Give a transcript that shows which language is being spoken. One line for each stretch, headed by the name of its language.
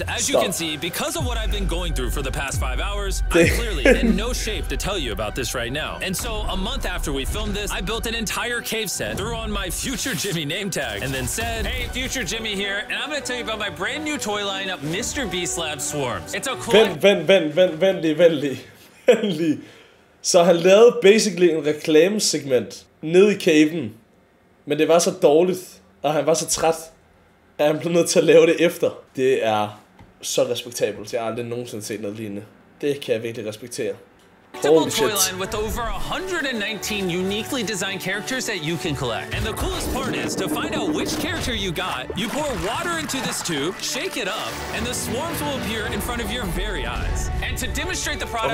English: As you can see, because of what I've been going through for the past 5 hours, I'm clearly in no shape to tell you about this right now. And so, a month after we filmed this, I built an entire cave set, threw on my Future Jimmy name tag, and then said, "Hey, Future Jimmy here, and I'm going to tell you about my brand new toy lineup, MrBeast Lab Swarms." It's a cool.
Danish: Vent. Så han lavede basically en reklamesegment ned i caven, men det var så dårligt, og han var så træt, at han blev nødt til at lave det efter. Det er så respektabelt. Jeg har aldrig nogensinde set noget lignende. Det kan jeg virkelig respektere.
English: Holy shit. Toy line with over 119 uniquely designed characters that you can collect. And the coolest part is, to find out which character you got, you pour water into this tube, shake it up, and the swarms will appear in front of your very eyes. And to demonstrate the product,